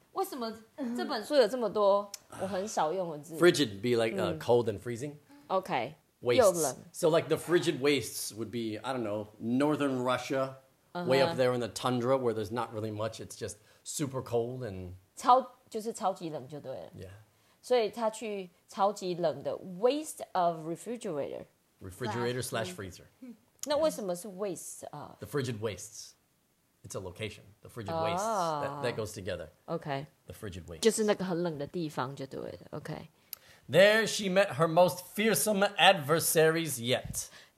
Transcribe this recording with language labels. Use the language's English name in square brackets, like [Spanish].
[Chinese] 为什么这本书有这么多我很少用的字 [English] frigid be like cold and freezing? Okay, wastes. [Chinese] 又冷 [English] So like the frigid wastes would be, I don't know, northern Russia,way up there in the tundra where there's not really much, it's just super cold and... [Chinese] 就是超级冷就对了。 [English] Yeah. [Chinese] 所以他去超级冷的 [English] waste of refrigerator. Refrigerator / freezer. [Chinese] 那为什么是 waste of? [English] The frigid wastes. It's a location. The frigid wastes. That goes together. Okay. The frigid wastes. [Chinese] 就是那个很冷的地方就对了。 [English] Okay. There she met her most fearsome adversaries yet.